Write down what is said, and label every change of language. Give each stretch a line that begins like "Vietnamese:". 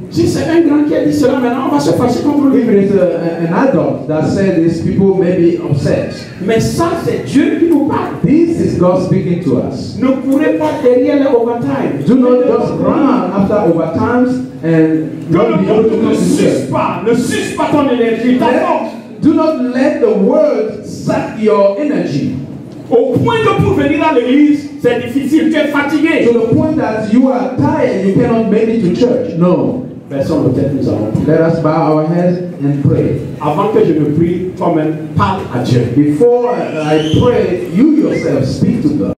French: Si c'est un grand qui a dit cela, maintenant on va se fâcher contre lui.
English: If it is an adult that said this, people may be upset.
French: Mais ça, c'est Dieu qui nous parle.
English: This is God speaking to us.
French: Ne courez pas derrière les overtimes.
English: Do not just run after overtimes and don't be able to succeed.
French: Ne suce pas ton énergie.
English: Do not let the world suck your energy.
French: Au point de pour venir à l'église, c'est difficile, tu es fatigué.
English: To the point that you are tired, you cannot make it to church. No. Let us bow our heads and pray.
French: Avant que je ne prie, toi-même, parle à Dieu.
English: Before I pray, you yourself speak to God.